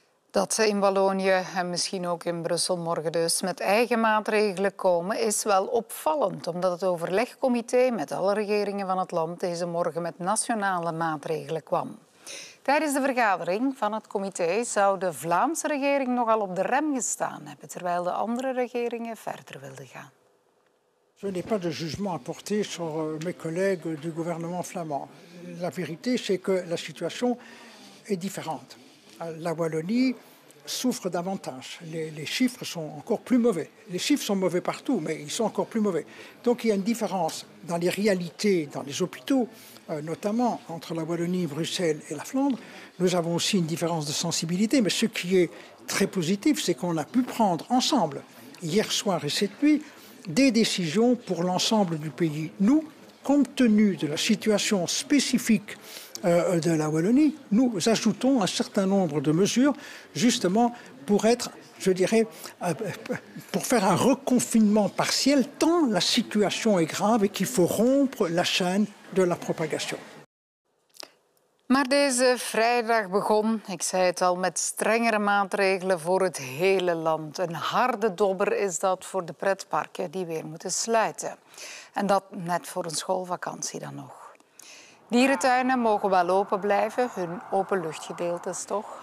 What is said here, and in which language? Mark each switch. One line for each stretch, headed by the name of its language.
Dutch: Dat ze in Wallonië en misschien ook in Brussel morgen dus met eigen maatregelen komen, is wel opvallend, omdat het overlegcomité met alle regeringen van het land deze morgen met nationale maatregelen kwam. Tijdens de vergadering van het comité zou de Vlaamse regering nogal op de rem gestaan hebben, terwijl de andere regeringen verder wilden gaan.
French: Je n'ai pas de jugement à porter sur mes collègues du gouvernement flamand. La vérité, c'est que la situation est différente. La Wallonie souffre davantage. Les chiffres sont encore plus mauvais. Les chiffres sont mauvais partout, mais ils sont encore plus mauvais. Donc il y a une différence dans les réalités, dans les hôpitaux, notamment entre la Wallonie, Bruxelles et la Flandre. Nous avons aussi une différence de sensibilité, mais ce qui est très positif, c'est qu'on a pu prendre ensemble, hier soir et cette nuit, des décisions pour l'ensemble du pays. Nous, compte tenu de la situation spécifique de la Wallonie, nous ajoutons un certain nombre de mesures justement pour être, je dirais, pour faire un reconfinement partiel tant la situation est grave et qu'il faut rompre la chaîne de la propagation.
Dutch: Maar deze vrijdag begon, ik zei het al, met strengere maatregelen voor het hele land. Een harde dobber is dat voor de pretparken die weer moeten sluiten. En dat net voor een schoolvakantie dan nog. Dierentuinen mogen wel open blijven, hun openluchtgedeeltes toch.